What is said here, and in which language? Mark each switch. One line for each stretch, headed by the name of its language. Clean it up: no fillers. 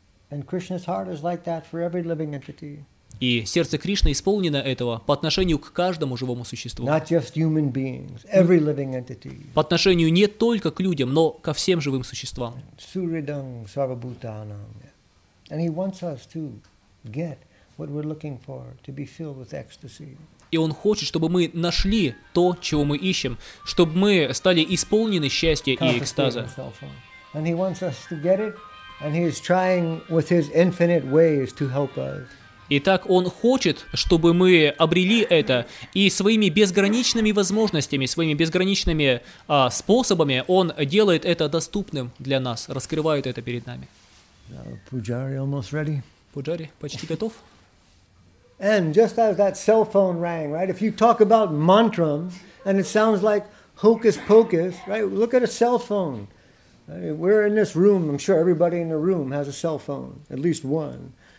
English: And Krishna's heart is like that for every living entity.
Russian: И сердце Кришны исполнено этого по отношению к каждому живому существу.
English: Not just human beings, every living entity.
Russian: По отношению не только к людям, но ко всем живым существам.
Sanskrit: Suridam sarvabhutanam.
English: And he wants us to get what we're looking for, to be filled with ecstasy.
Russian: И он хочет, чтобы мы нашли то, чего мы ищем, чтобы мы стали исполнены счастья и экстаза.
English: And he wants us to get it, and he is trying with his infinite ways to help us.
Russian: Итак, он хочет, чтобы мы обрели это, и своими безграничными возможностями, своими безграничными способами он делает это доступным для нас, раскрывает это перед нами.
English: Пуджари almost ready.
Russian: Пуджари почти готов.
English: And just as that cell phone rang, right? If you talk about mantram and it sounds like hocus pocus, right? Look at a cell phone. We're in this room, I'm sure everybody in the room has a cell phone, at least one.